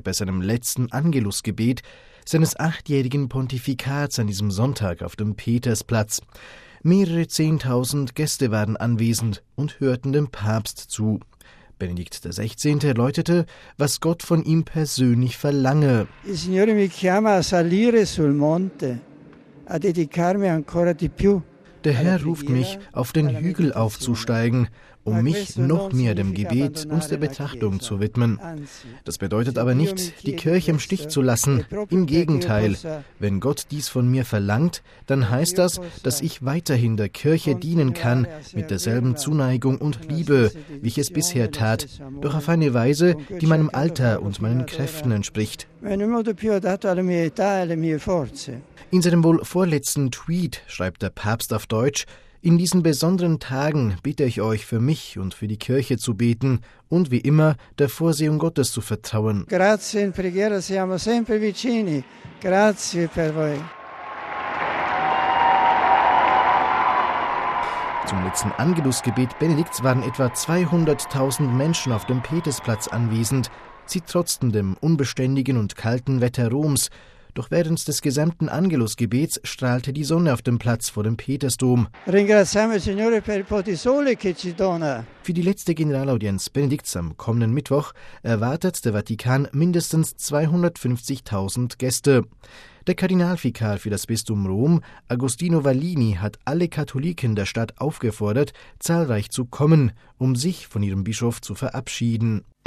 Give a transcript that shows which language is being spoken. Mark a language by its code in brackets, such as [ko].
[de] Bei seinem letzten Angelusgebet seines 8-jährigen Pontifikats an diesem Sonntag auf dem Petersplatz. Mehrere 10.000 Gäste waren anwesend und hörten dem Papst zu. Benedikt XVI. Erläuterte, was Gott von ihm persönlich verlange. [it] Il Signore mi chiama a salire sul monte, a dedicarmi ancora di più. [de] Der Herr ruft mich, auf den Hügel aufzusteigen, um mich noch mehr dem Gebet und der Betrachtung zu widmen. Das bedeutet aber nicht, die Kirche im Stich zu lassen. Im Gegenteil, wenn Gott dies von mir verlangt, dann heißt das, dass ich weiterhin der Kirche dienen kann, mit derselben Zuneigung und Liebe, wie ich es bisher tat, doch auf eine Weise, die meinem Alter und meinen Kräften entspricht. In seinem wohl vorletzten Tweet schreibt der Papst auf Deutsch: In diesen besonderen Tagen bitte ich euch, für mich und für die Kirche zu beten und wie immer der Vorsehung Gottes zu vertrauen. [it] Grazie in preghiera, siamo sempre vicini. Grazie per voi. [de] Zum letzten Angelusgebet Benedikts waren etwa 200.000 Menschen auf dem Petersplatz anwesend. Sie trotzten dem unbeständigen und kalten Wetter Roms. Doch während des gesamten Angelusgebets strahlte die Sonne auf dem Platz vor dem Petersdom. [it] Ringraziamo il Signore per il po' di sole che ci dona. [de] Für die letzte Generalaudienz Benedikts am kommenden Mittwoch erwartet der Vatikan mindestens 250.000 Gäste. Der Kardinalvikar für das Bistum Rom, Agostino Vallini, hat alle Katholiken der Stadt aufgefordert, zahlreich zu kommen, um sich von ihrem Bischof zu verabschieden.